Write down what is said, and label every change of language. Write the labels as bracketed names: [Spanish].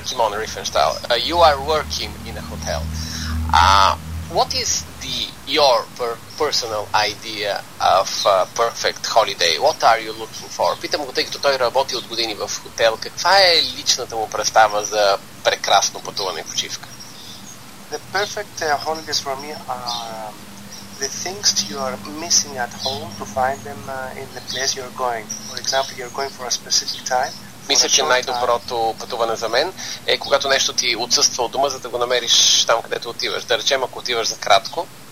[English] Kimon Rifenstal, you are working in a hotel. What is your personal idea of a perfect holiday? What are you looking for? [Bulgarian] Питам го, тъй като той работи от години в хотел, каква е личната му представа за прекрасно пътуване и почивка? [English] The perfect holidays for me are the things you are missing at home to find them in the place you're going. For example, you're going for a specific time. [Bulgarian] Мисля, че най-доброто пътуване за мен е когато нещо ти отсъства от дома, за да го намериш там, където отиваш. Да речем, ако отиваш за кратко.